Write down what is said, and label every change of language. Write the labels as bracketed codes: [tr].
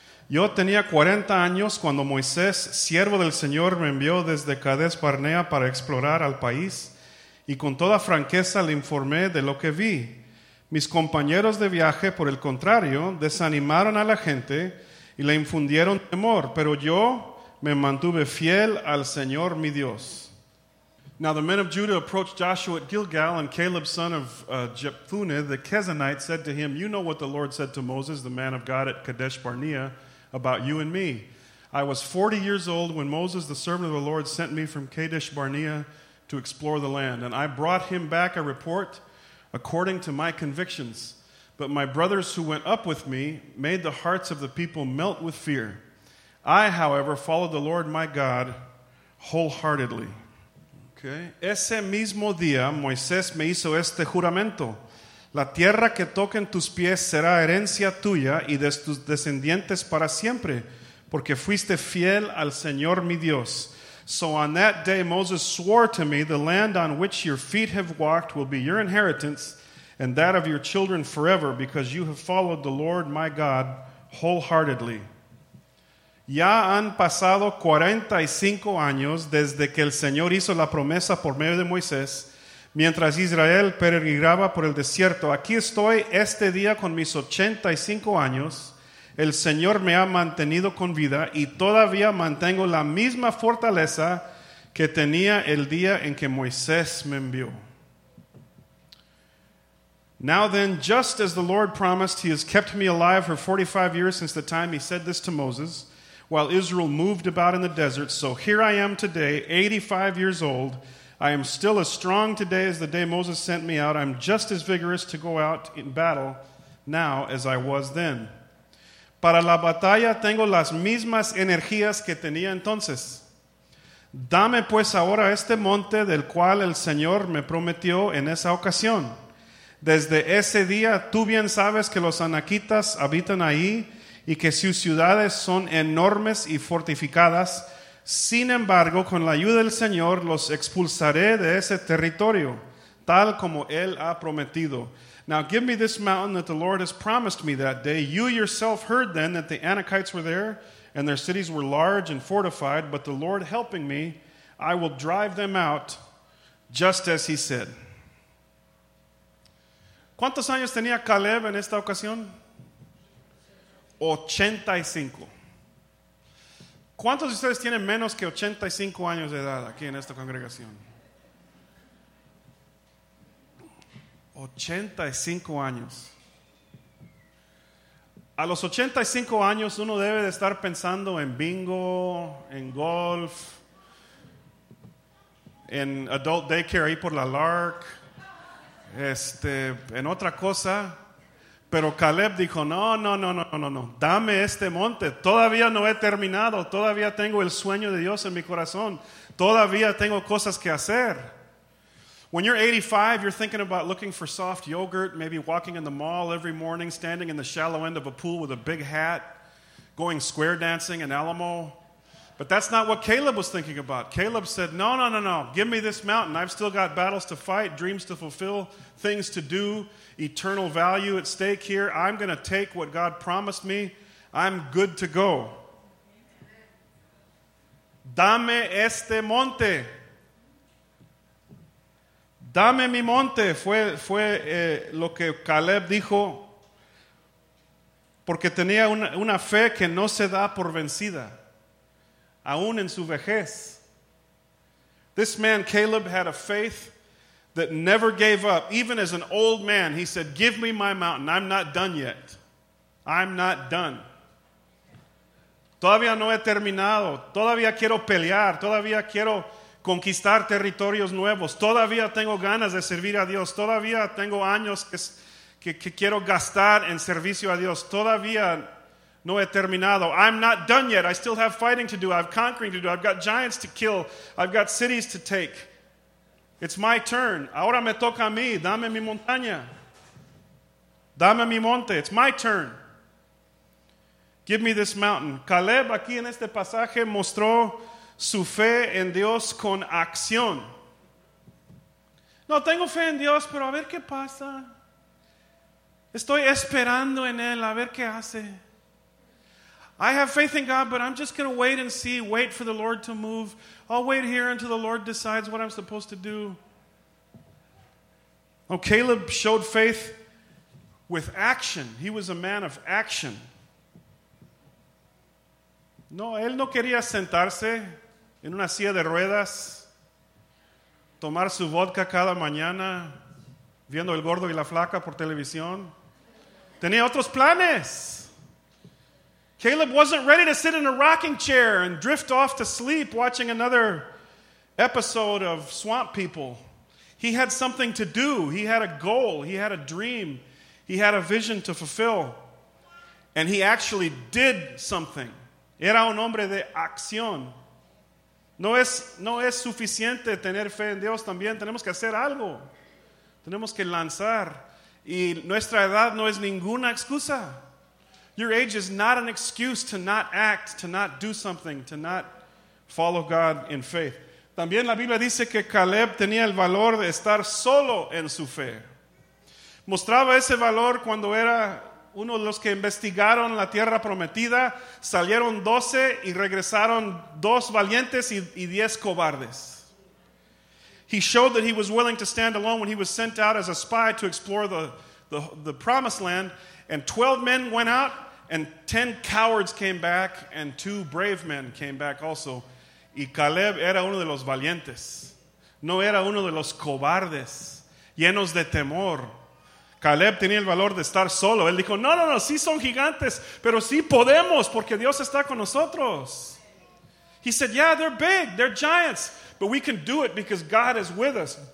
[es] Yo tenía 40 años cuando Moisés, siervo del Señor, me envió desde Cades Barnea para explorar al país y con toda franqueza le informé de lo que vi. Mis compañeros de viaje, por el contrario, desanimaron a la gente y le infundieron temor, pero yo me mantuve fiel al Señor mi Dios. [en] Now the men of Judah approached Joshua at Gilgal, and Caleb, son of Jephunneh the Kenizzite, said to him, you know what the Lord said to Moses, the man of God, at Kadesh Barnea, about you and me. I was 40 years old when Moses, the servant of the Lord, sent me from Kadesh Barnea to explore the land, and I brought him back a report according to my convictions. But my brothers who went up with me made the hearts of the people melt with fear. I, however, followed the Lord my God wholeheartedly. Okay. [es] Ese mismo día, Moisés me hizo este juramento. La tierra que toquen tus pies será herencia tuya y de tus descendientes para siempre, porque fuiste fiel al Señor mi Dios. [en] So on that day Moses swore to me, the land on which your feet have walked will be your inheritance and that of your children forever, because you have followed the Lord my God wholeheartedly. [es] Ya han pasado 45 años desde que el Señor hizo la promesa por medio de Moisés. Mientras Israel peregrinaba por el desierto, aquí estoy este día con mis 85 años. El Señor me ha mantenido con vida y todavía mantengo la misma fortaleza que tenía el día en que Moisés me envió. [en] Now then, just as the Lord promised, he has kept me alive for 45 years since the time he said this to Moses, while Israel moved about in the desert. So here I am today, 85 years old. I am still as strong today as the day Moses sent me out. I'm just as vigorous to go out in battle now as I was then. [es] Para la batalla tengo las mismas energías que tenía entonces. Dame pues ahora este monte del cual el Señor me prometió en esa ocasión. Desde ese día tú bien sabes que los anaquitas habitan ahí y que sus ciudades son enormes y fortificadas. Sin embargo, con la ayuda del Señor, los expulsaré de ese territorio, tal como Él ha prometido. [en] Now give me this mountain that the Lord has promised me that day. You yourself heard then that the Anakites were there, and their cities were large and fortified, but the Lord helping me, I will drive them out, just as He said. [es] ¿Cuántos años tenía Caleb en esta ocasión? 85. ¿Cuántos de ustedes tienen menos que 85 años de edad aquí en esta congregación? 85 años. A los 85 años uno debe de estar pensando en bingo, en golf, en [en] adult daycare [es] ahí por la Lark, en otra cosa. Pero Caleb dijo, no. Dame este monte. Todavía no he terminado. Todavía tengo el sueño de Dios en mi corazón. Todavía tengo cosas que hacer. [en] When you're 85, you're thinking about looking for soft yogurt, maybe walking in the mall every morning, standing in the shallow end of a pool with a big hat, going square dancing in Alamo. But that's not what Caleb was thinking about. Caleb said, no. Give me this mountain. I've still got battles to fight, dreams to fulfill, things to do, eternal value at stake here. I'm going to take what God promised me. I'm good to go. [es] Dame este monte. Dame mi monte. Fue lo que Caleb dijo. Porque tenía una fe que no se da por vencida. aún en su vejez. [en] This man, Caleb, had a faith that never gave up. Even as an old man, he said, give me my mountain. I'm not done yet. I'm not done. [es] Todavía no he terminado. Todavía quiero pelear. Todavía quiero conquistar territorios nuevos. Todavía tengo ganas de servir a Dios. Todavía tengo años que quiero gastar en servicio a Dios. Todavía no he terminado. [en] I'm not done yet. I still have fighting to do. I have conquering to do. I've got giants to kill. I've got cities to take. It's my turn. [es] Ahora me toca a mí. Dame mi montaña. Dame mi monte. [en] It's my turn. Give me this mountain. [es] Caleb aquí en este pasaje mostró su fe en Dios con acción. No, tengo fe en Dios, pero a ver qué pasa. Estoy esperando en Él, a ver qué hace. [en] I have faith in God, but I'm just going to wait and see, wait for the Lord to move. I'll wait here until the Lord decides what I'm supposed to do. Oh, Caleb showed faith with action. He was a man of action. [es] No, él no quería sentarse en una silla de ruedas, tomar su vodka cada mañana, viendo El Gordo y la Flaca por televisión. Tenía otros planes. [en] Caleb wasn't ready to sit in a rocking chair and drift off to sleep watching another episode of Swamp People. He had something to do. He had a goal. He had a dream. He had a vision to fulfill. And he actually did something. [es] Era un hombre de acción. No es suficiente tener fe en Dios también. Tenemos que hacer algo. Tenemos que lanzar. Y nuestra edad no es ninguna excusa. [en] Your age is not an excuse to not act, to not do something, to not follow God in faith. [es] También la Biblia dice que Caleb tenía el valor de estar solo en su fe. Mostraba ese valor cuando era uno de los que investigaron la tierra prometida. Salieron 12 y regresaron 2 valientes y 10 cobardes. [en] He showed that he was willing to stand alone when he was sent out as a spy to explore the promised land. And 12 men went out, and 10 cowards came back, and 2 brave men came back also. [es] Y Caleb era uno de los valientes. No era uno de los cobardes, llenos de temor. Caleb tenía el valor de estar solo. Él dijo, no, sí son gigantes, pero sí podemos, porque Dios está con nosotros. [en] He said, yeah, they're big, they're giants, but we can do it because God is with us.